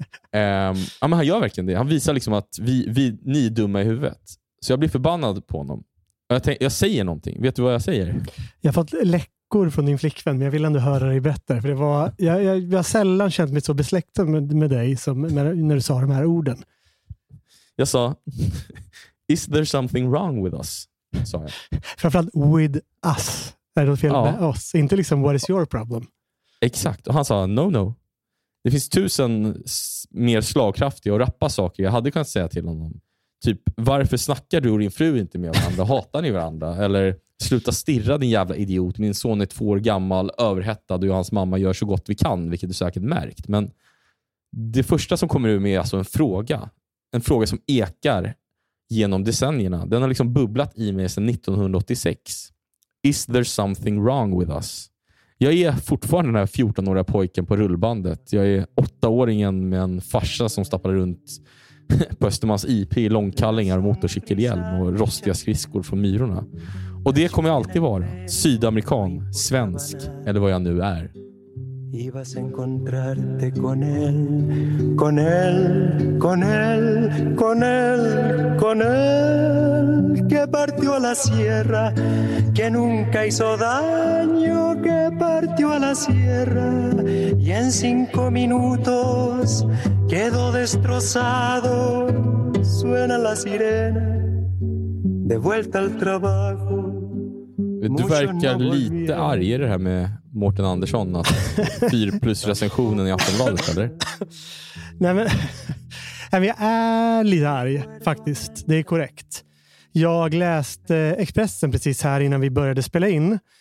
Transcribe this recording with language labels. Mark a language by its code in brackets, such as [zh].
[sv] ja, men han gör verkligen det. Han visar liksom att ni är dumma i huvudet. Så jag blir förbannad på honom. Jag säger någonting. Vet du vad jag säger? Jag har fått läckor från din flickvän, men jag vill ändå höra dig berätta. För det var, jag har sällan känt mig så besläktad med dig som när du sa de här orden. Jag sa, [en] is there something wrong with us? [sv] Sa jag. Framförallt [en] with us. [sv] Är det något fel med oss? Inte liksom, [en] what is your problem? [sv] Exakt. Och han sa, [en] no, no. [sv] Det finns 1000 mer slagkraftiga och rappa saker jag hade kunnat säga till honom. Typ, varför snackar du och din fru inte med varandra? Hatar ni varandra? Eller, sluta stirra din jävla idiot. Min son är 2 år gammal, överhettad och hans mamma gör så gott vi kan. Vilket du säkert märkt. Men det första som kommer ur mig är alltså en fråga. En fråga som ekar genom decennierna. Den har liksom bubblat i mig sedan 1986. [en] Is there something wrong with us? [sv] Jag är fortfarande den här 14-åriga pojken på rullbandet. Jag är 8-åringen med en farsa som stappar runt på Östermans IP i långkallingar och motorcykelhjälm och rostiga skridskor från myrorna. Och det kommer jag alltid vara. Sydamerikan, svensk eller vad jag nu är. [es] Ibas encontrarte con él, con él, con él, con él, con él, que partió a la sierra, que nunca hizo daño, que partió a la sierra, y en 5 minutos quedó destrozado, suena la sirena, de vuelta al trabajo. [sv] Du verkar lite argare här med Mårten Andersson att 4+ recensionen i Aftonbladet, eller? Nej, men jag är lite arg faktiskt. Det är korrekt. Jag läste Expressen precis här innan vi började spela in.